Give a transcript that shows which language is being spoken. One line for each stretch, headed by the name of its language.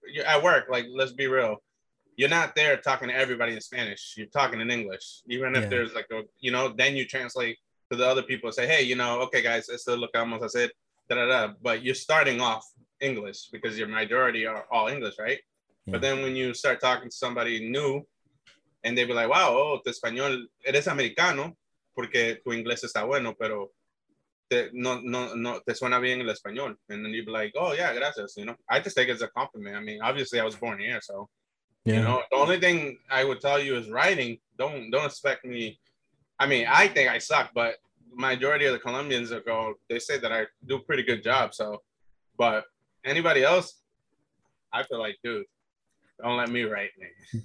English: You're at work, like, let's be real. You're not there talking to everybody in Spanish. You're talking in English. Even if there's like a, you know, then you translate to the other people and say, hey, you know, okay, guys, it's the look almost as it, da da da. But you're starting off English because your majority are all English, right? Yeah. But then when you start talking to somebody new and they be like, wow, oh,
Spanish: tu español, eres americano, porque tu inglés está bueno, pero te, no, te suena bien el español.
English: And then you'd be like, oh, yeah, gracias. You know, I just take it as a compliment. I mean, obviously, I was born here, so. Yeah. You know, the only thing I would tell you is writing. Don't expect me. I mean, I think I suck, but majority of the Colombians are going, they say that I do a pretty good job. So, but anybody else, I feel like, dude, don't let me write me.